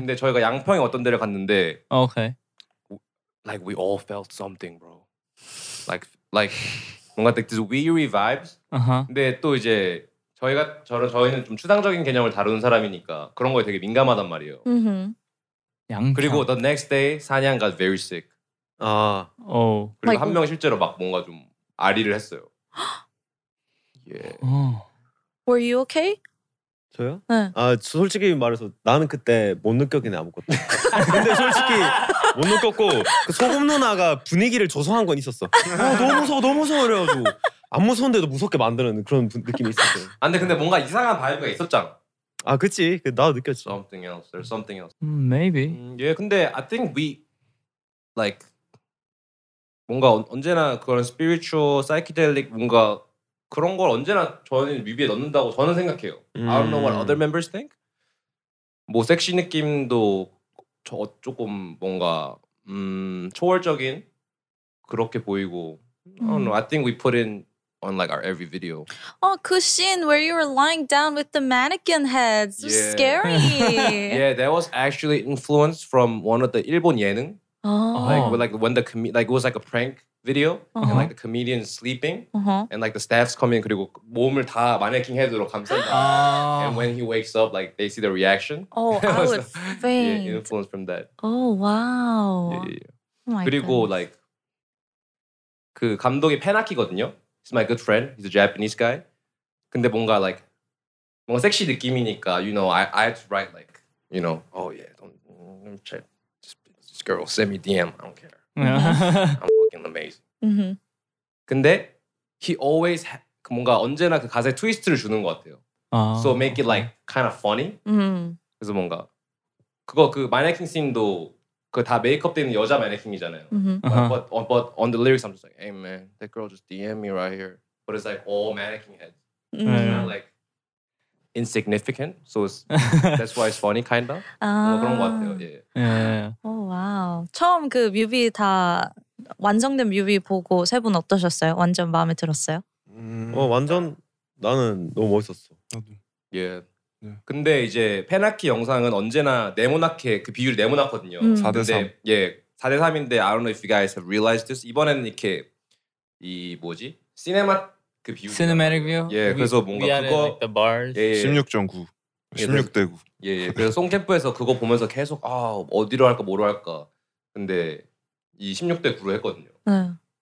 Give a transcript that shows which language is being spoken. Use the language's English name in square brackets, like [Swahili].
[Korean] 근데 저희가 양평에 어떤 데를 갔는데 오케이. [English] Like we all felt something, bro. Like [Korean] 뭔가 [English] like this weary vibes. Uh-huh. [Korean] 근데 또 이제 저희가 저희는 좀 추상적인 개념을 다루는 사람이니까 그런 거에 되게 민감하단 말이에요. Mm-hmm. 양평. 그리고 [English] the next day 사냥 got very sick. [Korean] 아, 오. 그리고 like, 한 명 실제로 막 뭔가 좀 아리를 했어요. 예. [English] Yeah. Were you okay? [Korean] 저요? 네. 아, 솔직히 말해서 나는 그때 못 느꼈긴 아무것도. 근데 솔직히 못 느꼈고 그 소금 누나가 분위기를 조성한 건 있었어. 아, 너무 무서워, 너무 무서워 그래가지고 안 무서운데도 무섭게 만드는 그런 느낌이 있었어요. 아, 근데 뭔가 이상한 바이브가 있었잖아. 아, 그치. 나도 느꼈지. [English] Something else. There's something else. Maybe. [Korean] 예, 근데 [English] I think we like [Korean] 뭔가 언제나 그런 spiritual, psychedelic 뭔가 그런 걸 언제나 저희 뮤비에 넣는다고 저는 생각해요. [English] I don't know what other members think. [Korean] 뭐 섹시 느낌도 조금 뭔가 초월적인 그렇게 보이고 [English] I don't know. I think we put in on like our every video. Oh, Kushin, where you were lying down with the mannequin heads. It was yeah. scary. yeah, that was actually influenced from one of the [Korean] 일본 예능. [English] Oh. Like when the like it was like a prank video uh-huh. and like the comedian sleeping uh-huh. and like the staffs come in [Korean] 그리고 몸을 다 마네킹 헤드로 감싼다. [English] And when he wakes up like they see the reaction. Oh, I would faint. Yeah, influenced from that. Oh, wow. Yeah. Oh, [Korean] 그리고 [English] goodness. [Korean] like 그 감독이 페나키거든요. [English] He's my good friend. He's a Japanese guy. [Korean] 근데 뭔가 [English] like [Korean] 뭔가 섹시 느낌이니까 [English] you know I have to write like you know oh yeah don't check this girl send me DM I don't care I'm fucking amazing. Mm-hmm. [Korean] 근데 [English] he always [Korean] 뭔가 언제나 그 가사에 트위스트를 주는 것 같아요. [English] So make it like kind of funny. Mm-hmm. [Korean] 그래서 뭔가 그거 그 마네킹 씬도 그 다 메이크업 되는 여자 마네킹이잖아요. Mm-hmm. Uh-huh. [English] But on the lyrics, I'm just like, hey man, that girl just DM me right here. But it's like all mannequin heads. Mm-hmm. It's not like insignificant. So it's, that's why it's funny, kind of. [Korean] 그런 것 같아요. Yeah. [English] Yeah. Oh wow. [Korean] 처음 그 뮤비 다 완성된 뮤비 보고 세 분 어떠셨어요? 완전 마음에 들었어요? 완전 나는 너무 멋있었어. 나도. Yeah. 네. 근데 이제 페나키 영상은 언제나 네모나게 그 비율이 네모났거든요. 4대3. 예, 4대3인데 [English] I don't know if you guys have realized this. [Korean] 이번에는 이렇게 이 뭐지? 시네마 그 비율. [English] Cinematic view? [Korean] 예, 그래서 뭔가 그거 [English] like the bars. [Korean] 예, 예. 16.9. 16:9. 예, 예. 그래서 송캠프에서 그거 보면서 계속 아 어디로 할까 뭐로 할까. 근데 이 16:9로 했거든요. 응.